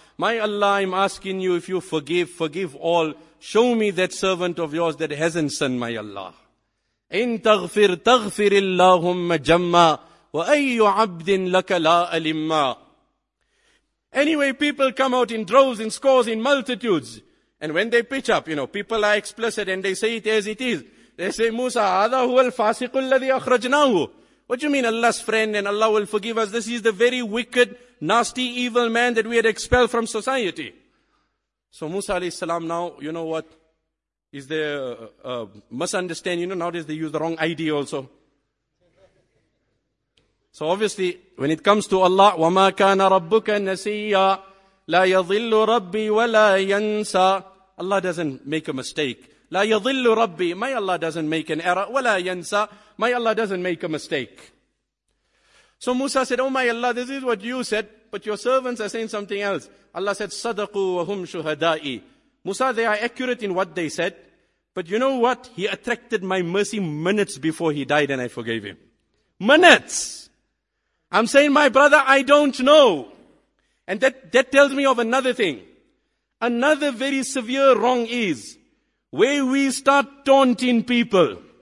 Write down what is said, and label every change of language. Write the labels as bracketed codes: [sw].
[en] My Allah, I'm asking you, if you forgive, forgive all. Show me that servant of yours that hasn't sinned, my Allah. [ar] إِن تَغْفِرْ تَغْفِرِ اللَّهُمَّ جَمَّا وَأَيُّ عَبْدٍ لَكَ لَا أَلِمَّا. [en] Anyway, people come out in droves, in scores, in multitudes. And when they pitch up, you know, people are explicit and they say it as it is. They say, Musa, [ar] هَذَا هُوَ الْفَاسِقُ الَّذِي أَخْرَجْنَاهُ. [en] What do you mean, Allah's friend and Allah will forgive us? This is the very wicked, nasty, evil man that we had expelled from society. So Musa alayhi salam, now, you know what? Is there a misunderstanding? You know, nowadays they use the wrong ID also. So obviously, when it comes to Allah, [ar] وَمَا كَانَ رَبُّكَ نَسِيًّا لَا يَظِلُّ رَبِّي وَلَا يَنْسَى. [en] Allah doesn't make a mistake. [ar] لَا يَظِلُّ رَبِّي. [en] My Allah doesn't make an error. [ar] وَلَا يَنْسَى. [en] My Allah doesn't make a mistake. So Musa said, oh my Allah, this is what you said, but your servants are saying something else. Allah said, [ar] صَدَقُوا وَهُمْ شُهَدَاءِ. [en] Musa, they are accurate in what they said, but you know what? He attracted my mercy minutes before he died and I forgave him. Minutes! I'm saying, my brother, I don't know. And that tells me of another thing. Another very severe wrong is where we start taunting people.